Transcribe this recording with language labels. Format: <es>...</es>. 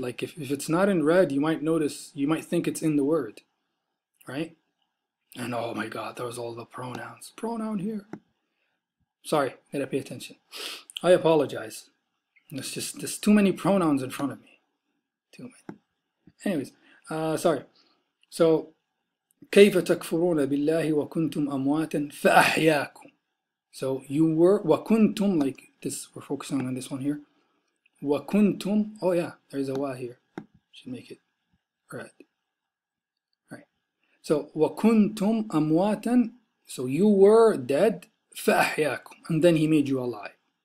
<en>Like if it's not in red, you might notice, you might think it's in the word, right? And oh my God, there was all the pronouns. Pronoun here. Sorry, gotta pay attention. I apologize. There's too many pronouns in front of me. Too many. Anyways, sorry.</en> <ar>So كيف تكفرون بالله وكنتم أمواتا فأحياكم.</ar> <en>So you were, وكنتم, like this, we're focusing on this one here. وكنتم, oh yeah, there's a wa here. Should make it red. So</en> <ar>وكنتم أمواتا,</ar> <en>so you were dead, فأحياكم, and then he made you alive.</en>